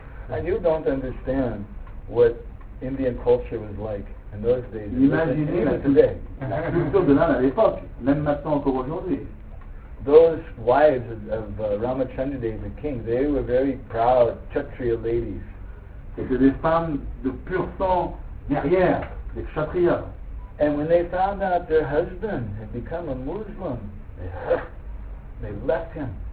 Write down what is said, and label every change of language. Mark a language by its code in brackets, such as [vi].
[en] And you don't understand what Indian culture was like in those days. [fr] Imaginez la culture de l'Inde à l'époque, même maintenant encore aujourd'hui. [en] Those wives of Ramachandradev, the king, they were very proud Kshatriya ladies. [fr] C'était des femmes de pur sang guerrière, des Kshatriyas. [en] And when they found out their husband had become a Muslim, they left him.